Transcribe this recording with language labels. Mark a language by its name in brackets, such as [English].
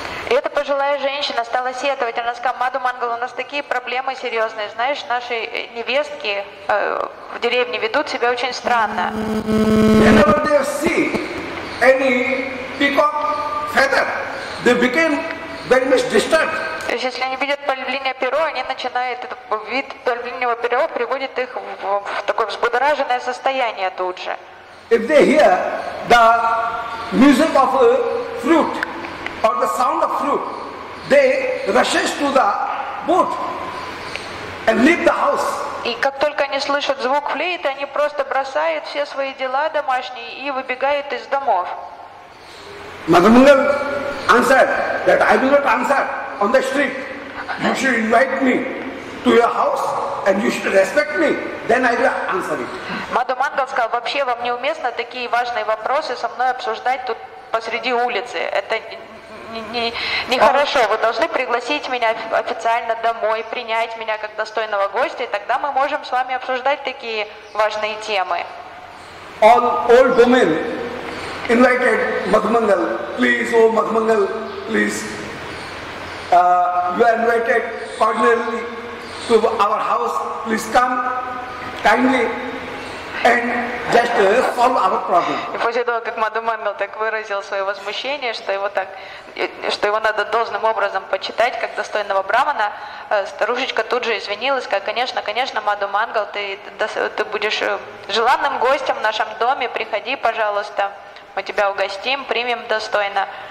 [Russian] И эта пожилая женщина стала сетовать, она сказала: Маду Мангал, у нас такие проблемы серьезные, знаешь, наши невестки в деревне ведут себя очень странно. [English] Whenever they see any peacock feather, they become very much disturbed. [Russian] То есть если они видят павлинье перо, они начинают, вид павлиньего перо приводит их в такое взбудораженное состояние тут же. [English] If they hear the music of a flute, or the sound of flute, they rushes to the boat and leave the house. [Russian] И как только они слышат звук флейты, они просто бросают все свои дела домашние и выбегают из домов. [English] Мадхумангал answered that I do not answer on the street. You should invite me to your house and you should respect me. Then I will answer it. [Russian] Мадхумангал сказал, вообще вам неуместно такие важные вопросы со мной обсуждать тут посреди улицы. Это нехорошо. Вы должны пригласить меня официально домой, принять меня как достойного гостя, и тогда мы можем с вами обсуждать такие важные темы. [English] All old women invited Мадхумангал. Please, oh Мадхумангал, please. You are invited cordially to our house. Please come kindly and just solve our problem. [Russian] И после того, как Мадхумангал так выразил свое возмущение, что его так, что его надо должным образом почитать как достойного брахмана, старушечка тут же извинилась, сказала: конечно, конечно, Мадхумангал, ты будешь желанным гостем в нашем доме, приходи, пожалуйста, мы тебя угостим, примем достойно.